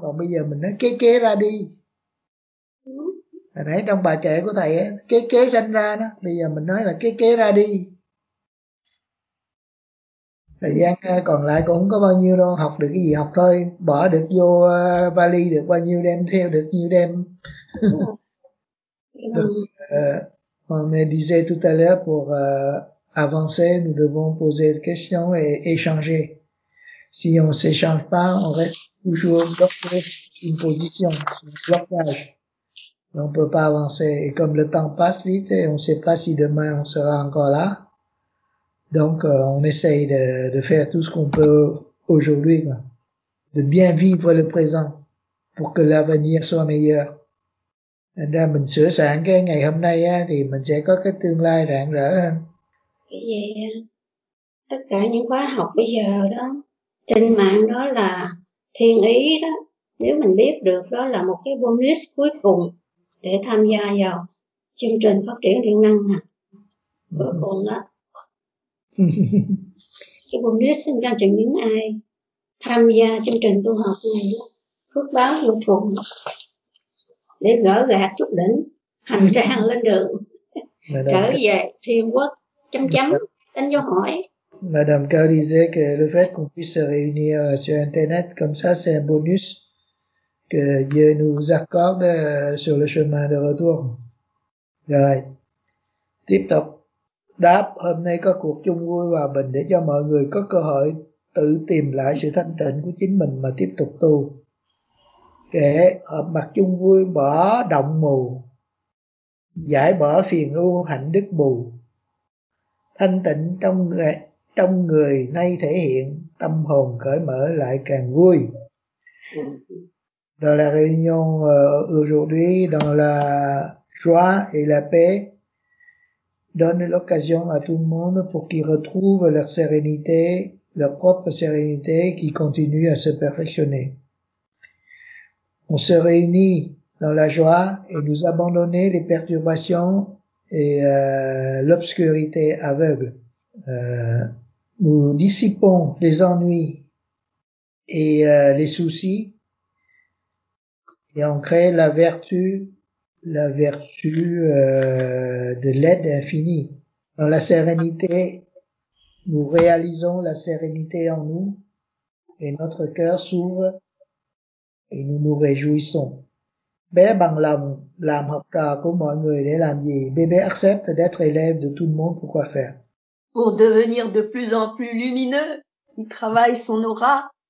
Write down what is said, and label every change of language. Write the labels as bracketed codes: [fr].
[vi] Còn bây giờ mình nói kế ra đi. Hồi nãy trong bài kệ của thầy ấy, kế sanh ra đó. Bây giờ mình nói là kế ra đi. Thời gian còn lại cũng không có bao nhiêu đâu, học được cái gì học thôi, bỏ được vô vali được bao nhiêu đem theo được nhiêu đem. [fr] On me disait tout à l'heure pour avancer, nous devons poser des questions et échanger. Si on ne s'échange pas, on reste toujours bloqué une position, un blocage. Et on ne peut pas avancer. Et comme le temps passe vite, et on ne sait pas si demain on sera encore là. Donc, on essaye de faire tout ce qu'on peut aujourd'hui, quoi. De bien vivre le présent pour que l'avenir soit meilleur. [vi] Nên ra mình sửa soạn cái ngày hôm nay á, thì mình sẽ có cái tương lai rạng rỡ hơn. Vậy tất cả những khóa học bây giờ đó, trên mạng đó là thiên ý đó. Nếu mình biết được đó là một cái bonus cuối cùng để tham gia vào chương trình phát triển điện năng nè. Cuối cùng đó. Cái bonus sinh ra cho những ai tham gia chương trình tu học này đó. Phước báo vô cùng. Để gỡ gạt chút đỉnh, hành trang lên đường, trở về thiên quốc, chấm chấm, đánh dấu hỏi. [fr] Madame Cao disait que le fait qu'on puisse se réunir sur Internet comme ça, c'est un bonus que Dieu nous accorde sur le chemin de retour. [vi] Rồi, tiếp tục. Đáp, hôm nay có cuộc chung vui và bình để cho mọi người có cơ hội tự tìm lại sự thanh tịnh của chính mình mà tiếp tục tu. Kể, hợp mặt chung vui bỏ động mù, giải bỏ phiền ưu hạnh đức bù. Thanh tịnh trong người nay thể hiện, tâm hồn cởi mở lại càng vui. [fr] Dans la réunion aujourd'hui, dans la joie et la paix, donne l'occasion à tout le monde pour qu'ils retrouvent leur sérénité, leur propre sérénité qui continue à se perfectionner. On se réunit dans la joie et nous abandonner les perturbations et l'obscurité aveugle. Nous dissipons les ennuis et les soucis et on crée la vertu de l'aide infinie. Dans la sérénité, nous réalisons la sérénité en nous et notre cœur s'ouvre et nous nous réjouissons. [vi] Bé bằng lòng làm học trò của mọi người để làm gì? [fr] Bébé accepte d'être élève de tout le monde pour quoi faire? Pour devenir de plus en plus lumineux, il travaille son aura.